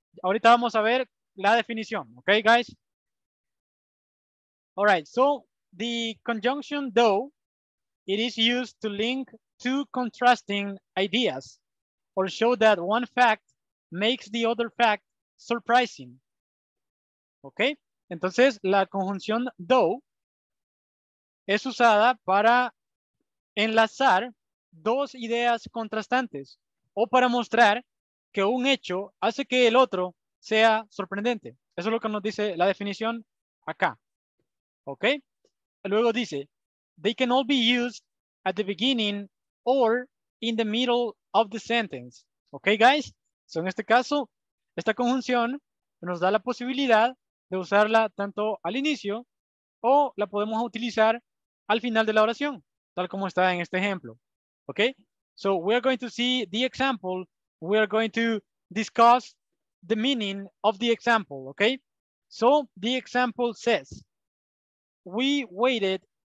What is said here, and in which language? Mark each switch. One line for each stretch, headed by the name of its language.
Spanish: Ahorita vamos a ver la definición.
English: Okay, guys? All right. So the conjunction though, it is used to link two contrasting ideas or show that one fact makes the other fact surprising.
Spanish: Ok, entonces la conjunción though es usada para enlazar dos ideas contrastantes o para mostrar que un hecho hace que el otro sea sorprendente. Eso es lo que nos dice la definición acá. Ok, luego dice,
English: they can all be used at the beginning or in the middle of the sentence. Ok, guys, so
Spanish: en este caso, esta conjunción nos da la posibilidad de usarla tanto al inicio o la podemos utilizar al final de la oración, tal como está en este ejemplo.
English: Okay? So we are going to see the example. We are going to discuss the meaning of the example. Okay? So the example says, we waited